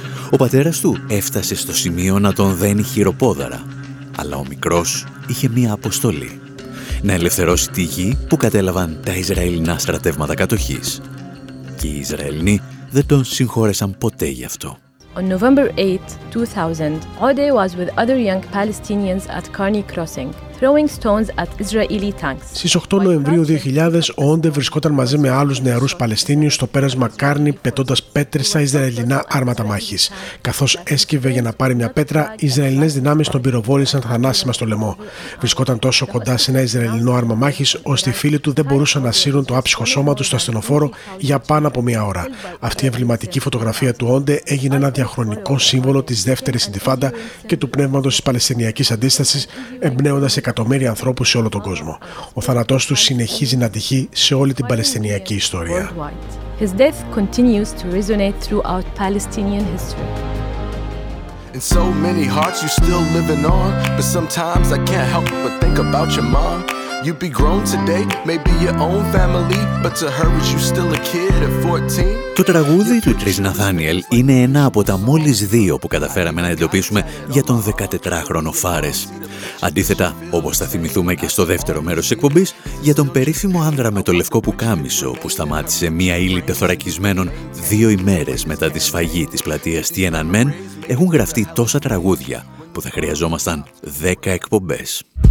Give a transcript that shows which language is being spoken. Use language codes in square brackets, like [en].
[el] Ο πατέρας του έφτασε στο σημείο να τον δένει χειροπόδαρα, αλλά ο μικρός είχε μία αποστολή. Να ελευθερώσει τη γη που κατέλαβαν τα Ισραηλινά στρατεύματα κατοχής. Και οι Ισραηλινοί δεν τον συγχώρεσαν ποτέ γι' αυτό. [en] On November 8, 2000, Ode was with other young Palestinians at Karni Crossing. throwing stones at Israeli tanks. [el] Στις 8 Νοεμβρίου 2000, ο Όντε βρισκόταν μαζί με άλλους νεαρούς Παλαιστίνιους στο πέρασμα Κάρνη, πετώντας πέτρες στα Ισραηλινά άρματα μάχης. Καθώς έσκυβε για να πάρει μια πέτρα, οι Ισραηλινές δυνάμεις τον πυροβόλησαν θανάσιμα στο λαιμό. Βρισκόταν τόσο κοντά σε ένα Ισραηλινό άρμα μάχης, ώστε οι φίλοι του δεν μπορούσαν να σύρουν το άψυχο σώμα του στο ασθενοφόρο για πάνω από μία ώρα. Αυτή η εμβληματική φωτογραφία του Όντε έγινε ένα διαχρονικό σύμβολο της δεύτερης Ιντιφάντα και του πνεύματος της Παλαιστινιακής Αντίστασης, εμπνέοντας εκατομμύρια ανθρώπους σε όλο τον κόσμο. Ο θάνατός του συνεχίζει να τυχεί σε όλη την Παλαιστινιακή ιστορία. [en] His death continues to resonate throughout Palestinian history. In so many hearts you're still living on, but sometimes I can't help but think about your mom. You'd be grown today, maybe your own family, but to her is you still a kid at 14. [el] Το τραγούδι του Chris Nathaniel είναι ένα από τα μόλις δύο που καταφέραμε να εντοπίσουμε για τον 14χρονο Φάρες. Αντίθετα, όπως θα θυμηθούμε και στο δεύτερο μέρος της εκπομπής, για τον περίφημο άνδρα με το λευκό πουκάμισο που σταμάτησε μία ύλη τεθωρακισμένων 2 ημέρες μετά τη σφαγή της πλατείας Tiananmen, έχουν γραφτεί τόσα τραγούδια που θα χρειαζόμασταν 10 εκπομπές.